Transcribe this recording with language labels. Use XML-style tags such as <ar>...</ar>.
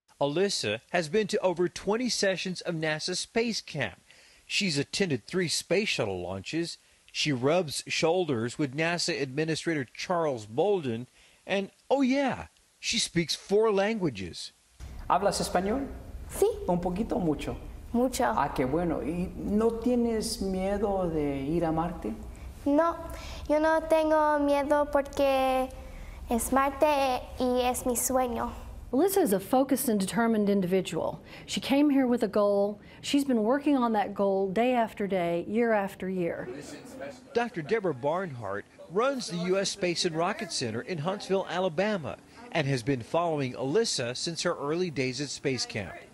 <en>Alyssa has been to over 20 sessions of NASA space camp. She's attended 3 space shuttle launches. She rubs shoulders with NASA Administrator Charles Bolden, and oh yeah, she speaks 4 languages.</en> <es>¿Hablas español? Sí. ¿Un poquito o mucho? Mucho. Ah, qué bueno. ¿Y no tienes miedo de ir a Marte? No, yo no tengo miedo porque es Marte y es mi sueño.</es> <en>Alyssa is a focused and determined individual. She came here with a goal. She's been working on that goal day after day, year after year. Dr. Deborah Barnhart runs the U.S. Space and Rocket Center in Huntsville, Alabama, and has been following Alyssa since her early days at space camp.</en>